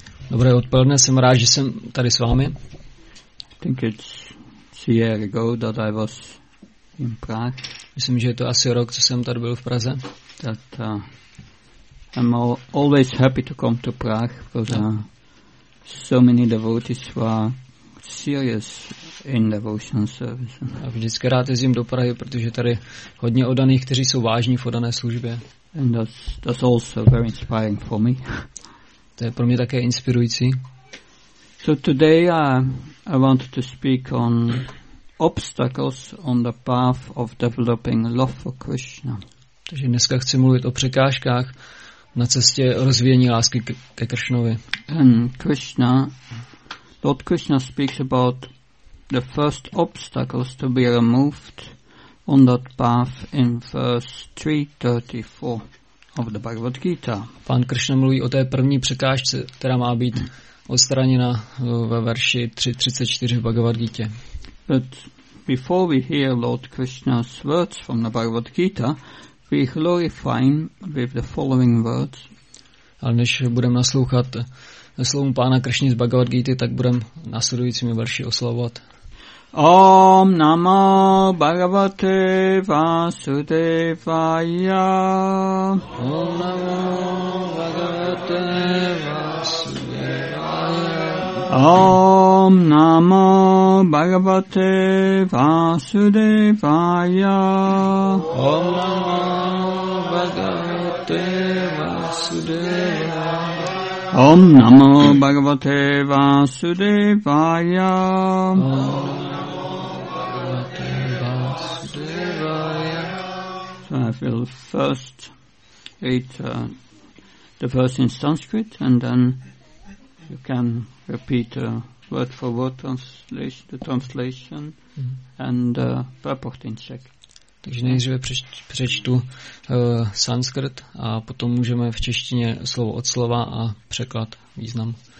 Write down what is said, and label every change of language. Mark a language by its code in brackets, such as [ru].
[cs] Dobré odpoledne, jsem rád, že jsem tady s vámi. [en] I think it's a year ago that I was in Prague. [cs] Myslím, že je to asi rok, co jsem tady byl v Praze. [en] That I'm always happy to come to Prague because so many devotees were serious in devotion service. [cs] A vždycky rád jezdím do Prahy, protože tady hodně oddaných, kteří jsou vážní v oddané službě. [en] And that's also very inspiring for me. [cs] To je pro mě také inspirující. [en] So today I want to speak on obstacles on the path of developing love for Krishna. [cs] Takže dneska chci mluvit o překážkách na cestě rozvíjení lásky ke Krishnovi. [en] And Krishna, Lord Krishna speaks about the first obstacles to be removed on that path in verse 3:34 of the Bhagavad Gita. [cs] Pán Krishna mluví o té první překážce, která má být odstraněna ve verši 3:34 v Bhagavad Gita. [en] But before we hear Lord Krishna's words from the Bhagavad Gita, we glorify him with the following words. [cs] Ale než budeme naslouchat slovům pána Krishny z Bhagavad Gita, tak budeme následujícími verši oslavovat. [sa] Om Namo Bhagavate Vasudevaya. Om Namo Bhagavate Vasudevaya. Om Namo Bhagavate Vasudevaya. Om Namo Bhagavate Vasudevaya. Om Namo Bhagavate Vasudevaya. [en] I will first read the verse in Sanskrit, and then you can repeat word for word translation, the translation, and purport in Czech. [cs] Takže nejdříve přečtu Sanskrit, a potom můžeme v češtině slovo od slova a překlad význam.